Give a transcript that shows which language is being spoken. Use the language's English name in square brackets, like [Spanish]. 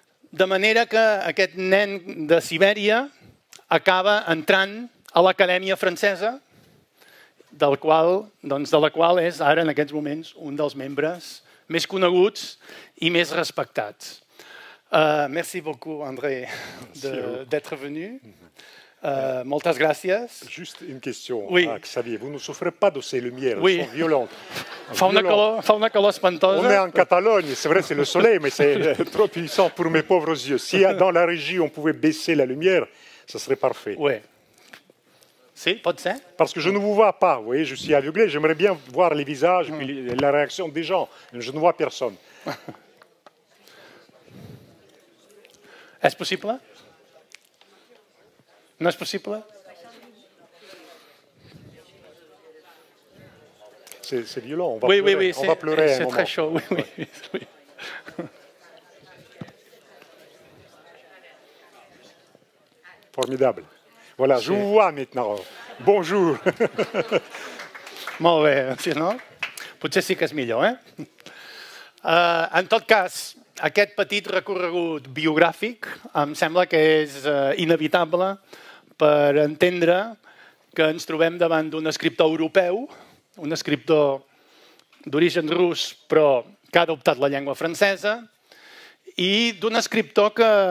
[Catalan] De manera que aquest nen de Sibèria acaba entrant a l'Acadèmia Francesa, de la qual és ara, en aquests moments, un dels membres més coneguts i més respectats. [French] Merci beaucoup, André, d'être venu. [Catalan] Moltes gràcies. [French] Juste une question, oui. Xavier. Vous ne souffrez pas de ces lumières, oui. Elles sont violentes. [Catalan] Fa una calor espantosa. [French] On est en Catalogne, c'est vrai, c'est le soleil, mais c'est trop puissant pour mes pauvres yeux. Si dans la régie on pouvait baisser la lumière, ça serait parfait. Oui. [Catalan] Si, pot ser. [French] Parce que je ne vous vois pas, vous voyez, je suis aveuglé. J'aimerais bien voir les visages et la réaction des gens. Je ne vois personne. Est-ce possible? [Catalan] No és possible? [French] C'est violent, on va pleurer. Oui, on va pleurer un moment. C'est très chaud, oui. Formidable. Voilà, je vous vois maintenant. Bonjour. [Catalan] Molt bé, si no, potser sí que és millor, eh? En tot cas, aquest petit recorregut biogràfic em sembla que és inevitable per entendre que ens trobem davant d'un escriptor europeu, un escriptor d'origen rus, però que ha adoptat la llengua francesa, i d'un escriptor que,